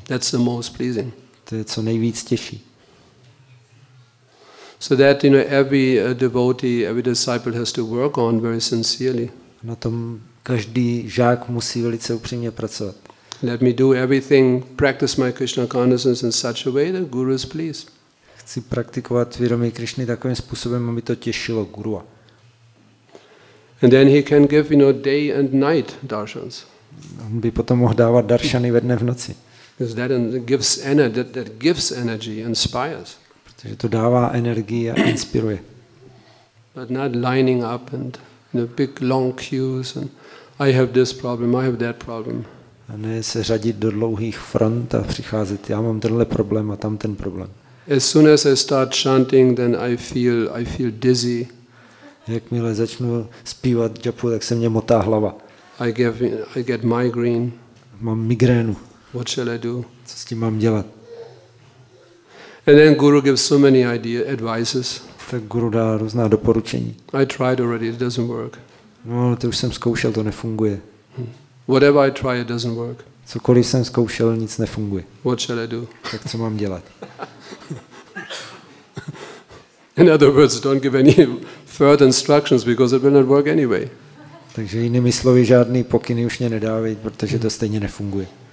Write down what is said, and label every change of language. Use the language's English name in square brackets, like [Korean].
[English] That's the most pleasing. [Czech] To je co nejvíc těší. [English] So that, you know, every devotee, every disciple has to work on very sincerely. [Czech] Na tom každý žák musí velice upřímně pracovat. [English] Let me do everything, practice my Krishna consciousness in such a way that guru is pleased. [Czech] Chci praktikovat vědomí Krišny takovým způsobem, aby to těšilo gurua. [English] And then he can give, you know, day and night darshans. [Czech] On by potom mohl dávat darshany ve dne v noci. [English] Because that gives energy, that gives energy, inspires. [Czech] Protože to dává energii a inspiruje. [English] But not lining up and the big long queues and I have this problem, I have that problem. [Czech] A ne se řadit do dlouhých front a přicházet, já mám tenhle problém a tam ten problém. [English] As soon as I start chanting, then I feel dizzy. [Czech] Jakmile začnu zpívat japu, tak se mě motá hlava. [English] I get migraine. [Czech] Mám migrénu. [English] What shall I do? [Czech] Co s tím mám dělat? [English] And then guru gives so many ideas, advices. [Czech] Tak guru dá různá doporučení. [English] I tried already, it doesn't work. [Czech] No, ale to už jsem zkoušel, to nefunguje. [English] Whatever I try, it doesn't work. [Czech] Cokoliv jsem zkoušel, nic nefunguje. [English] What shall I do? [Czech] Tak co mám dělat? [English] In other words, don't give any further instructions because it will not work anyway. [Czech] Takže jinými slovy, žádný pokyny už mě nedávej, protože to stejně nefunguje.